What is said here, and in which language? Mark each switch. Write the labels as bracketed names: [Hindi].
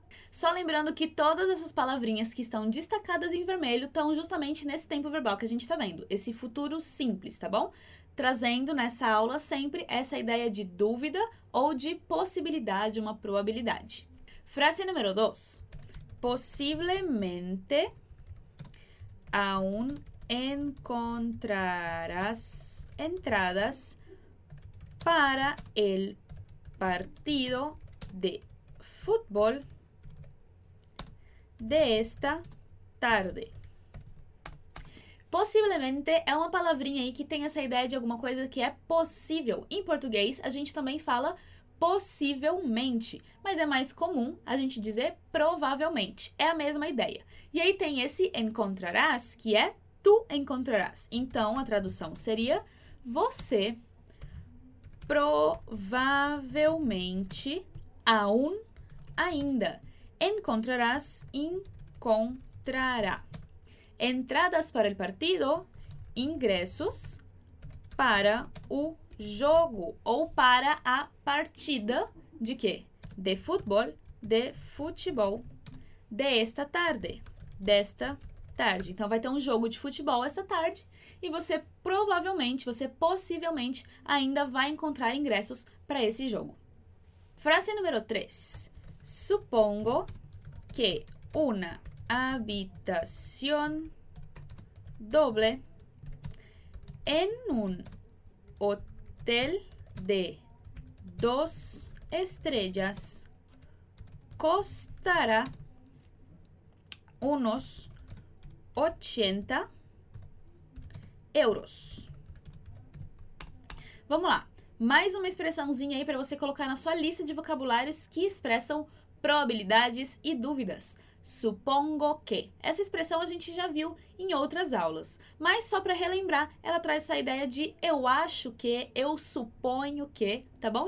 [Portuguese] Só lembrando que todas essas palavrinhas que estão destacadas em vermelho estão justamente nesse tempo verbal que a gente está vendo. Esse futuro simples, tá bom? Trazendo nessa aula sempre essa ideia de dúvida ou de possibilidade, uma probabilidade. Frase número 2. [Spanish] Possivelmente aún encontrarás entradas para el partido de fútbol de esta tarde. [Portuguese] Possivelmente é uma palavrinha aí que tem essa ideia de alguma coisa que é possível. Em português, a gente também fala possivelmente, mas é mais comum a gente dizer provavelmente. É a mesma ideia. E aí tem esse encontrarás, que é tu encontrarás. Então, a tradução seria você Provavelmente, aún, ainda. Encontrarás, encontrará. [Spanish] Entradas para el partido, [Portuguese] ingressos para o jogo ou para a partida de quê? De futebol, de futebol desta tarde. Desta tarde. Então vai ter um jogo de futebol esta tarde e você provavelmente, você possivelmente ainda vai encontrar ingressos para esse jogo. Frase número 3. [Spanish] Supongo que una habitación doble en un hotel de dos estrellas costará unos 80 euros. [Portuguese] Vamos lá. Mais uma expressãozinha aí para você colocar na sua lista de vocabulários que expressam probabilidades e dúvidas. [Spanish] Supongo que. [Portuguese] Essa expressão a gente já viu em outras aulas. Mas só para relembrar, ela traz essa ideia de eu acho que, eu suponho que, tá bom?